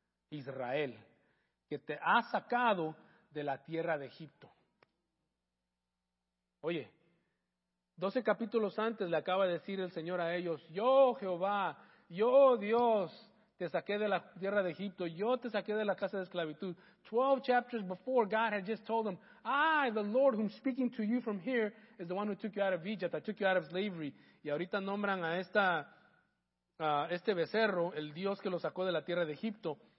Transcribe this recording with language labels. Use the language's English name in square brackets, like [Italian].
[Spanish] Israel, que te ha sacado de la tierra de Egipto. Oye, 12 capítulos antes le acaba de decir el Señor a ellos, yo Jehová, yo Dios, te saqué de la tierra de Egipto, yo te saqué de la casa de esclavitud. [English] 12 chapters before, God had just told them, I, the Lord who's speaking to you from here, is the one who took you out of Egypt, I took you out of slavery. [Spanish] Y ahorita nombran a este becerro, el Dios que lo sacó de la tierra de Egipto.